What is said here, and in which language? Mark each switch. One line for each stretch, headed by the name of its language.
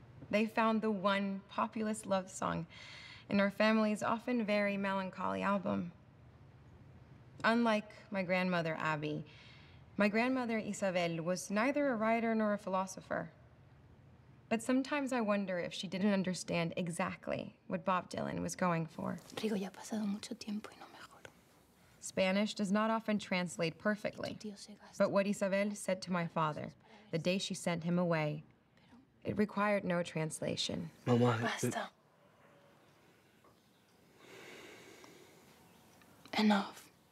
English: They found the one populist love song in our family's often very melancholy album. Unlike my grandmother, Abby, my grandmother, Isabel, was neither a writer nor a philosopher. But sometimes I wonder if she didn't understand exactly what Bob Dylan was going for.
Spanish: Rigo, ya ha pasado mucho tiempo y no mejor.
English: Spanish does not often translate perfectly, but what Isabel said to my father the day she sent him away, it required no translation.
Spanish: Mama, basta.
English: Enough.